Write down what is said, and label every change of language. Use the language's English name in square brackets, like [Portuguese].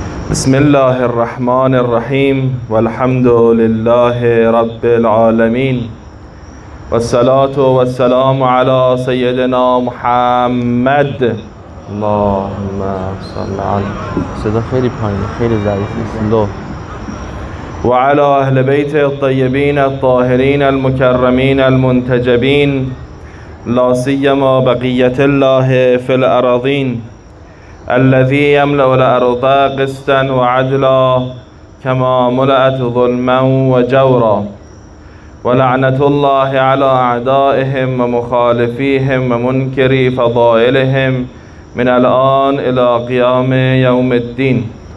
[Arabic] بسم الله الرحمن الرحيم والحمد لله رب العالمين والصلاة والسلام على سيدنا محمد. اللهم صل على [Persian] صدا خیلی پایینه، خیلی ضعیف لو. [Arabic] وعلى اهل بيت الطيبين الطاهرين المكرمين المنتجبين لا سيما بقية الله في الأراضين الذي يملأ الأرض قسطا وعدلا كما ملأت ظلما وجورا ولعنة الله على أعدائهم ومخالفيهم ومنكري فضائلهم من الآن إلى قيام يوم الدين.